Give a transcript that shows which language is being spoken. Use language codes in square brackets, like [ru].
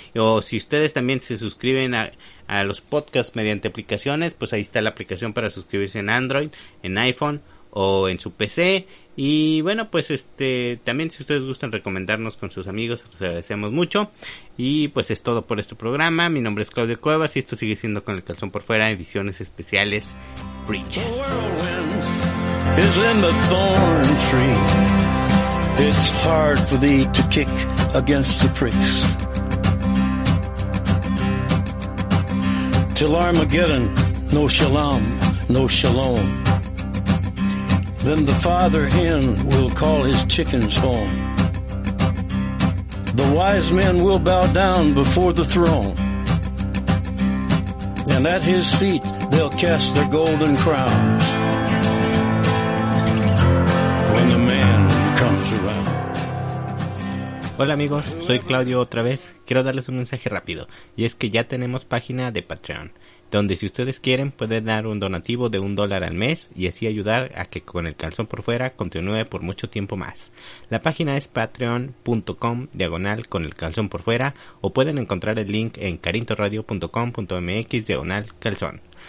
[es] O si ustedes también se suscriben a los podcasts mediante aplicaciones, pues ahí está la aplicación para suscribirse en Android, en iPhone o en su PC. Y bueno, pues también si ustedes gustan recomendarnos con sus amigos, les agradecemos mucho. Y pues es todo por este programa. Mi nombre es Claudio Cuevas y esto sigue siendo Con el Calzón por Fuera, ediciones especiales Preacher. [en] The whirlwind is in the thorn tree. It's hard for thee to kick against the pricks. Till Armageddon, no shalom, no shalom. Then the father hen will call his chickens home. The wise men will bow down before the throne. And at his feet they'll cast their golden crowns. When the man comes around. [es] Hola amigos, soy Claudio otra vez. Quiero darles un mensaje rápido. Y es que ya tenemos página de Patreon. donde si ustedes quieren pueden dar un donativo de $1 al mes y así ayudar a que Con el Calzón por Fuera continúe por mucho tiempo más. La página es patreon.com/conelcalzonporfuera o pueden encontrar el link en carintoradio.com.mx/calzón.